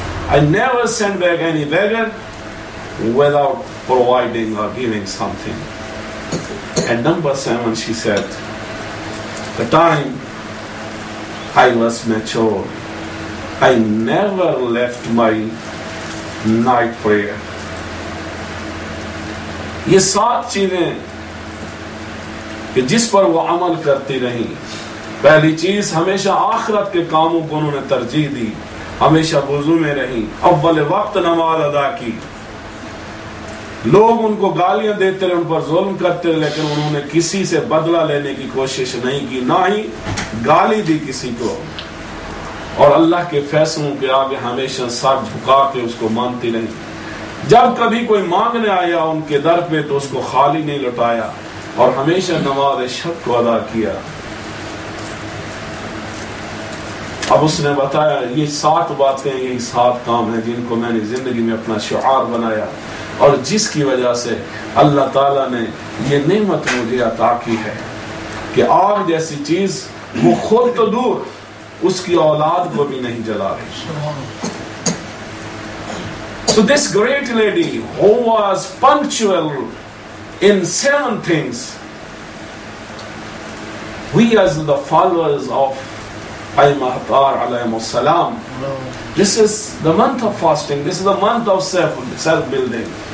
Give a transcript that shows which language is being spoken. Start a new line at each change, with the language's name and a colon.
English: I never sent back any beggar without providing or giving something. And number seven, she said, the time I was mature, I never left my night prayer.
Urdu: یہ سات چیزیں کہ جس پر وہ عمل کرتی رہیں. پہلی چیز, ہمیشہ آخرت کے کاموں کو انہوں نے ترجیح دی, ہمیشہ وضو میں رہیں, اول وقت نماز ادا کی. لوگ ان کو گالیاں دیتے رہے, ان پر ظلم کرتے رہے, لیکن انہوں نے کسی سے بدلہ لینے کی کوشش نہیں کی, نہ ہی گالی دی کسی کو, اور اللہ کے فیصلوں کے آگے ہمیشہ سر جھکا کے اس کو مانتی رہی. جب کبھی کوئی مانگنے آیا ان کے در پہ تو اس کو خالی نہیں لٹایا, اور ہمیشہ نماز شب کو ادا کیا. اب اس نے بتایا یہ سات باتیں, یہ سات کام ہیں جن کو میں نے زندگی میں اپنا شعار بنایا, اور جس کی وجہ سے اللہ تعالیٰ نے یہ نعمت مجھے عطا کی ہے کہ آگ جیسی چیز وہ خود تو دور, اس کی اولاد کو بھی نہیں جلا رہی.
English: So this great lady who was punctual in seven things, we as the followers of Aimah Atar alayhi salam, this is the month of fasting, this is the month of self-building.